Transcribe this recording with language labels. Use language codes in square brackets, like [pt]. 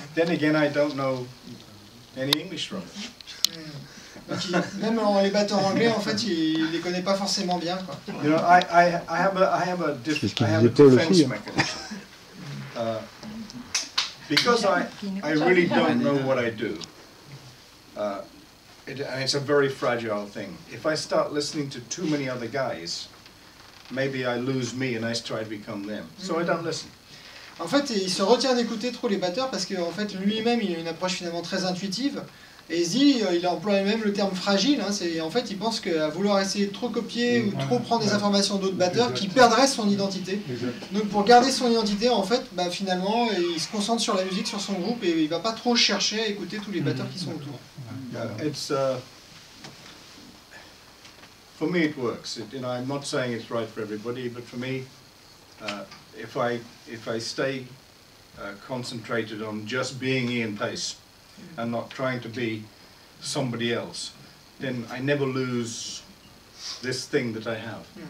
[en] Then again, I don't know any English drummers. [fr] Même les batteurs anglais, en fait, il les connaît pas forcément bien, quoi. [en] You know, I have a defense mechanism. Because I really don't know what I do. It's a very fragile thing. If I start listening to too many other guys, maybe I lose me and I try to become them. So I don't listen. [fr] En fait, il se retient d'écouter trop les batteurs parce que, en fait, lui-même, il a une approche finalement très intuitive. Et il emploie même le terme fragile. Hein, c'est, en fait, il pense qu'à vouloir essayer de trop copier ou trop prendre des informations d'autres batteurs, qu'il perdrait son identité. Exact. Donc, pour garder son identité, en fait, finalement, il se concentre sur la musique, sur son groupe, et il ne va pas trop chercher à écouter tous les batteurs qui sont autour. [en] For me, it works. You know, I'm not saying it's right for everybody, but for me, if I stay concentrated on just being Ian Paice, and not trying to be somebody else, then I never lose this thing that I have.